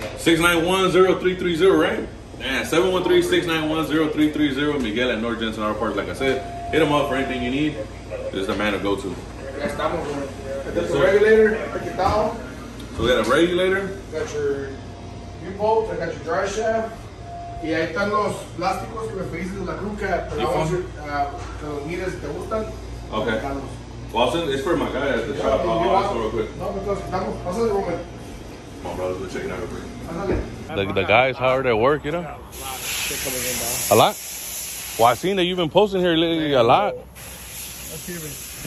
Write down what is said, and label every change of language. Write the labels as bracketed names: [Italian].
[English] 691-0330, right? Yeah, 713-691-0330. Miguel at North Jensen Auto Parts. Like I said, hit him up for anything you need. This is the man to go to. Yes, that's the regulator. Pick it down. So we got a regulator. Got your U-bolt, I got your dry shaft. [Spanish] Y ahí están los plásticos que me pediste de la cruca. Pero vamos a ver, si te gustan. [English] Okay. Well, send, it's for my guy at the shop. I'll ask him real quick. No, because, [Spanish] vamos, pasa de Roman. [English] Come on, brothers, we're checking out real quick. [Spanish] Pásale. [English] The guys hard at work, you know? A lot of shit coming in, bro. A lot? Well, I've seen that you've been posting here lately, man, a lot. That's